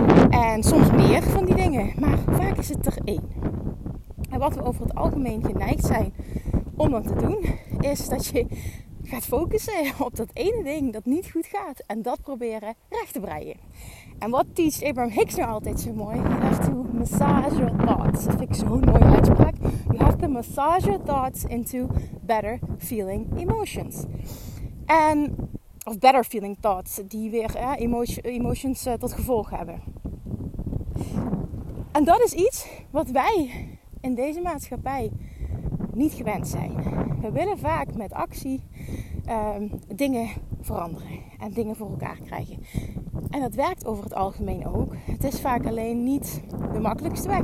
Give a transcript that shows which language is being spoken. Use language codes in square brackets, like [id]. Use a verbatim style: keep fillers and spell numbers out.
[nl] En soms meer van die dingen. Maar vaak is het er één. En wat we over het algemeen geneigd zijn om dat te doen, is dat je gaat focussen op dat ene ding dat niet goed gaat. En dat proberen recht te breien. En wat teacht Abraham Hicks nou altijd zo mooi? [en] You have to massage your thoughts. [nl] Dat vind ik zo'n mooie uitspraak. [en] You have to massage your thoughts into better feeling emotions. [nl] En, of [en] better feeling thoughts. [nl] Die weer eh, emotion, emotions eh, tot gevolg hebben. En dat is iets wat wij in deze maatschappij niet gewend zijn. We willen vaak met actie eh, dingen veranderen. En dingen voor elkaar krijgen. En dat werkt over het algemeen ook. Het is vaak alleen niet de makkelijkste weg.